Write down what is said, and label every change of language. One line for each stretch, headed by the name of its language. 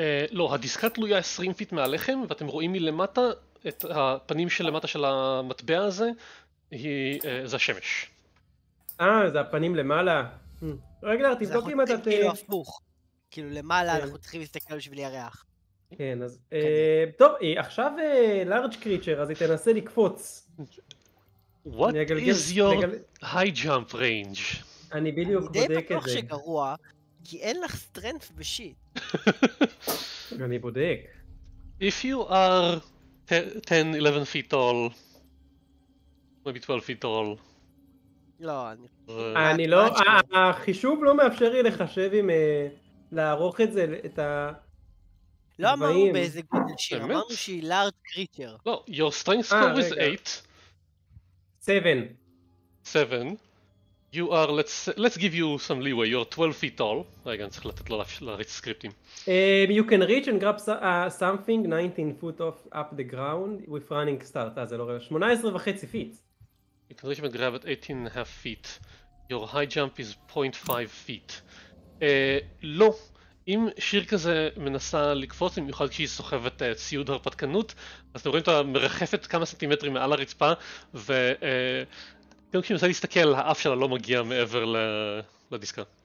Hebrew: לא, הדיסקה תלויה 20 פיט מהלחם, ואתם רואים מלמטה את הפנים של למטה של המטבע הזה, זה השמש. זה הפנים למעלה. רגע, תבדוק אם אתה... כאילו למעלה אנחנו צריכים להסתכל בשביל ירח. כן, אז... טוב, עכשיו לארג' קריצ'ר, אז היא תנסה לקפוץ.
English: What is your high jump range?
Hebrew: אני בדיוק בודק את זה. אני די בטוח שגרוע, כי אין לך סטרנף בשיט. אני בודק.
English: If you are 10, 11 feet tall, maybe 12 feet tall,
Hebrew: לא, אני לא, החישוב לא מאפשר לי לחשב עם לערוך את זה, את ה... לא אמרנו באיזה גודל שיר, אמרנו שהיא לארג' קריצ'ר. לא,
English: your strength score is 8. 7. 7. You are, let's give you some leeway, you're 12 feet tall.
Hebrew: רגע, אני צריך לתת לו להריץ סקריפטים.
English: You can reach and grab something 19 foot off up the ground with running start.
Hebrew: זה לא רגע, 18 וחצי פיט.
English: You can reach and grab at 18 and a half feet. Your high jump is 0.5 feet.
Hebrew: לא. אם שיר כזה מנסה לקפוץ, במיוחד כשהיא סוחבת ציוד הרפתקנות, אז אתם רואים אותה מרחפת כמה סנטימטרים מעל הרצפה, וגם כשהיא מנסה להסתכל, האף שלה לא מגיע מעבר לדיסקה.